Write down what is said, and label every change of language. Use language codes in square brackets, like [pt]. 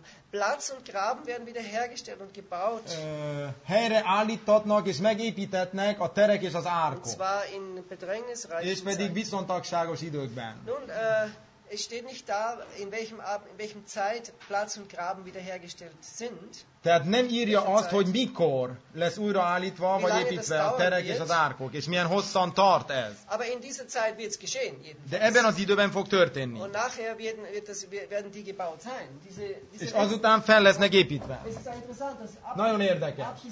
[de] Platz und Graben werden wieder hergestellt und gebaut. [hu] Helyre állítatnak és megépítetnek a terek és az árkok. [de] Und zwar in bedrängnisreichen Zeiten. [hu] És pedig viszontagságos időkben. [de] Nun, es steht nicht da, in welchem Zeit Platz und Graben wiederhergestellt sind. [hu] Tehát nem írja azt, hogy mikor lesz újraállítva, vagy építve a terek és az árkok, és milyen hosszan tart ez. [de] Aber in dieser Zeit wird's geschehen, [hu] de ebben az időben fog történni. [de] Und nachher werden die gebaut sein. [hu] És azután fel lesznek építve. Nagyon érdekes.